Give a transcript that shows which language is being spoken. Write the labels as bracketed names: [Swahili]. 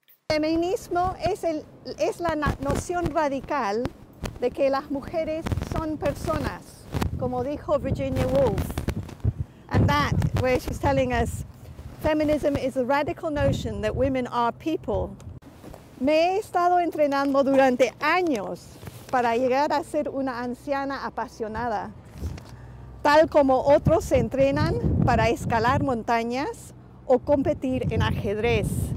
[Spanish] Feminismo es la noción radical de que las mujeres son personas, como dijo Virginia Woolf. [English] And that, where she's telling us, feminism is a radical notion that women are people. [Spanish] Me he estado entrenando durante años para llegar a ser una anciana apasionada, tal como otros se entrenan para escalar montañas o competir en ajedrez.